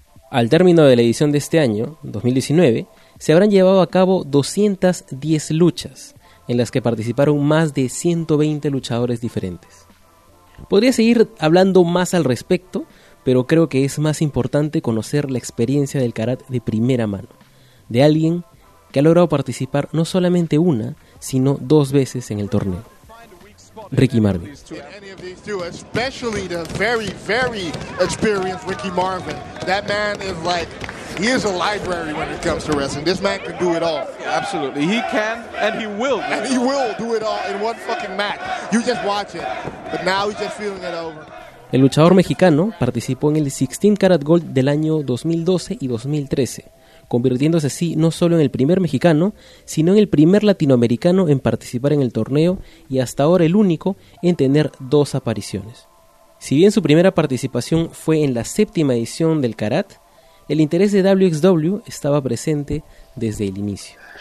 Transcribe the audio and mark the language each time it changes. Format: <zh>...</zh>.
<es>Al término de la edición de este año, 2019, se habrán llevado a cabo 210 luchas, en las que participaron más de 120 luchadores diferentes. Podría seguir hablando más al respecto, pero creo que es más importante conocer la experiencia del karat de primera mano, de alguien que ha logrado participar no solamente una, sino 2 veces en el torneo. Ricky Marvin.</es> <en>Especially the very, very experienced Ricky Marvin. That man is like, he is a library when it comes to wrestling. This man can do it all. Absolutely. He can and he will. And he will do it all in one fucking match. You just watch it. But now he's just feeling it over.</en> <es>El luchador mexicano participó en el 16 Karat Gold del año 2012 y 2013, convirtiéndose así no solo en el primer mexicano, sino en el primer latinoamericano en participar en el torneo y hasta ahora el único en tener 2 apariciones. Si bien su primera participación fue en la 7ª edición del Karat, el interés de WXW estaba presente desde el inicio.</es>